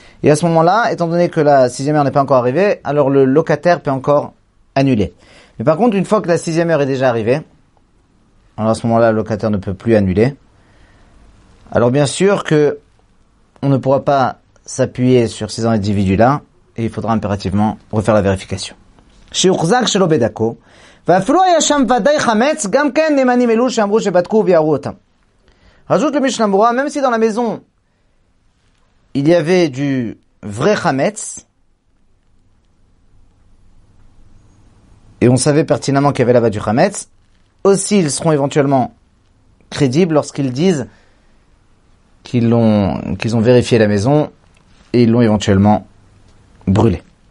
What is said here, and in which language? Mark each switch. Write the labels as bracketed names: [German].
[French] Et à ce moment-là, étant donné que la sixième heure n'est pas encore arrivée, alors le locataire peut encore annuler. Mais par contre, une fois que la sixième heure est déjà arrivée, alors à ce moment-là, le locataire ne peut plus annuler. Alors bien sûr que on ne pourra pas s'appuyer sur ces individus-là et il faudra impérativement refaire la vérification. Chez Urzak, chez l'Obedako, [Hebrew] ואפילו היה שם ודאי חמץ, גם כן נאמנים אלו שאמרו שבדקו וביארו אותם. [French] Rajout le Mishnah Berurah, même si dans la maison il y avait du vrai chametz et on savait pertinemment qu'il y avait là-bas du chametz, aussi ils seront éventuellement crédibles lorsqu'ils disent qu'ils ont vérifié la maison et ils l'ont éventuellement brûlée.